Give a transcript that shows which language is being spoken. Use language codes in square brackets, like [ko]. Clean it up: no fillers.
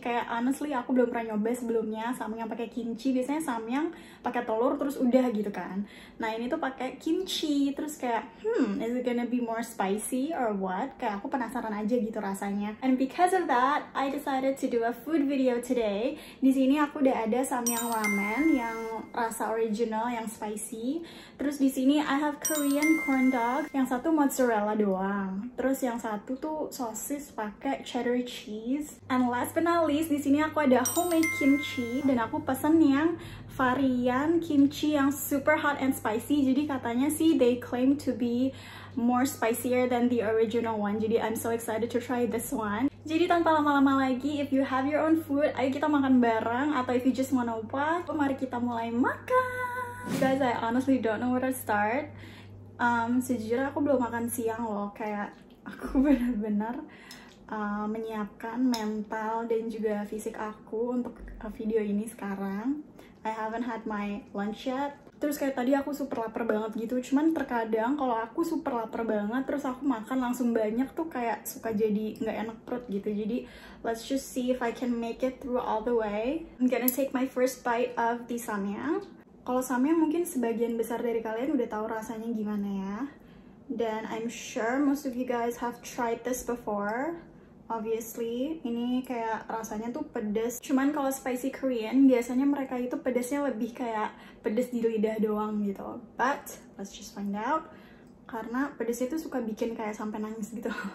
[id] Kayak honestly aku belum pernah nyoba sebelumnya samyang pakai kimchi. Biasanya samyang pakai telur terus udah gitu kan. Nah ini tuh pakai kimchi, terus kayak [en] is it gonna be more spicy or what? [id] Kayak aku penasaran aja gitu rasanya. [en] And because of that, I decided to do a food video today. [id] Di sini aku udah ada samyang ramen yang rasa original, yang spicy. Terus di sini [en] I have Korean corn dog, [id] yang satu mozzarella doang. Terus yang satu tuh sosis pakai cheddar cheese. [en] And last but not least, [id] di sini aku ada homemade kimchi dan aku pesen yang varian kimchi yang [en] super hot and spicy. [id] Jadi katanya sih [en] they claim to be more spicier than the original one. Jadi I'm so excited to try this one. [id] Jadi tanpa lama-lama lagi, [en] if you have your own food, [id] ayo kita makan bareng. Atau [en] if you just wanna watch, [id] mari kita mulai makan. [en] Guys, I honestly don't know where to start. [id] Sejujurnya aku belum makan siang loh. Kayak aku benar-benar menyiapkan mental dan juga fisik aku untuk video ini sekarang. [en] I haven't had my lunch yet. [id] Terus kayak tadi aku super lapar banget gitu. Cuman terkadang kalau aku super lapar banget terus aku makan langsung banyak tuh kayak suka jadi nggak enak perut gitu. [en] Jadi let's just see if I can make it through all the way. I'm gonna take my first bite of the samyang. [id] Kalau samyang mungkin sebagian besar dari kalian udah tahu rasanya gimana ya. [en] Dan I'm sure most of you guys have tried this before. [id] Obviously, ini kayak rasanya tuh pedes. Cuman kalau spicy Korean, biasanya mereka itu pedesnya lebih kayak pedes di lidah doang gitu. [en] But, let's just find out. [id] Karena pedesnya tuh suka bikin kayak sampai nangis gitu.